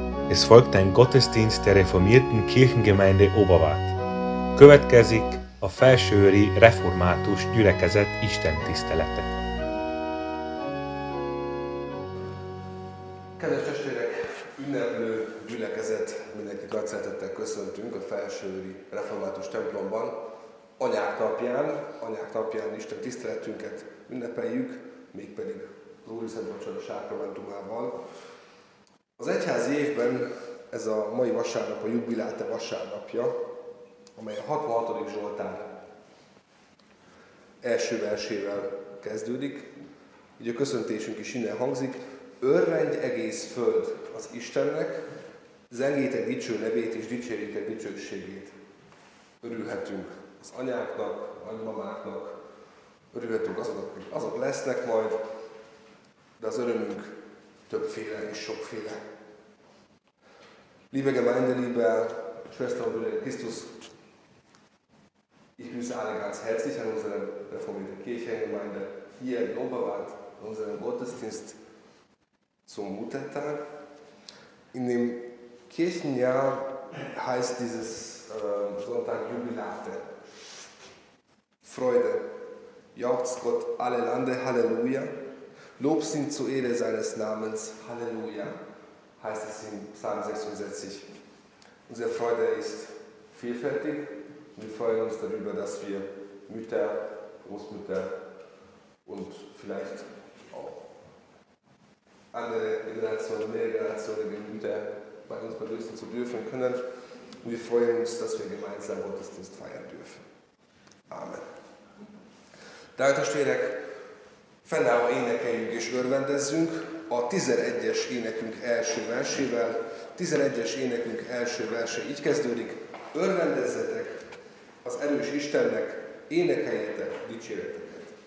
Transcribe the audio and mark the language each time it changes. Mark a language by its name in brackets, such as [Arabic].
[German] Es folgt ein Gottesdienst der reformierten Kirchengemeinde Obavát. [Hungarian] Következik a Felsőőri Református Gyülekezet istentisztelete. Kedves testvérek, ünneplő gyülekezet, mindenkit nagy szeretettel köszöntünk a Felsőőri Református templomban. Anyák napján Isten tiszteletünket ünnepeljük, mégpedig az Úri Szentvacsora sákramentumával. Az egyházi évben ez a mai vasárnap a jubiláte vasárnapja, amely a 66. Zsoltár első versével kezdődik. Így a köszöntésünk is innen hangzik. Örvendj egész föld az Istennek, zengétek dicső nevét és dicsérjétek dicsőségét. Örülhetünk az anyáknak, nagymamáknak, örülhetünk azoknak, hogy azok lesznek majd, de az örömünk többféle és sokféle. [German] Liebe Gemeinde, liebe Schwester und Brüder in Christus, ich grüße alle ganz herzlich an unserer reformierten Kirchengemeinde hier in Obavát, an unserem Gottesdienst zum Muttertag. In dem Kirchenjahr heißt dieses Sonntag Jubilate, Freude, jauchzt Gott alle Lande, Halleluja, Lob sind zur Ehre seines Namens, Halleluja. Heißt es in Psalm 66. Unsere Freude ist vielfältig. Wir freuen uns darüber, dass wir Mütter, Großmütter und vielleicht auch andere Generationen, mehr Generationen wie Mütter bei uns begrüßen zu dürfen können. Und wir freuen uns, dass wir gemeinsam Gottesdienst feiern dürfen. Amen. Danke, testvérek! [Hungarian] Fennálló énekeljünk és örvendezzünk a 11-es énekünk első versével. 11-es énekünk első verse így kezdődik. Örvendezzetek az erős Istennek, énekeljetek dicséretet.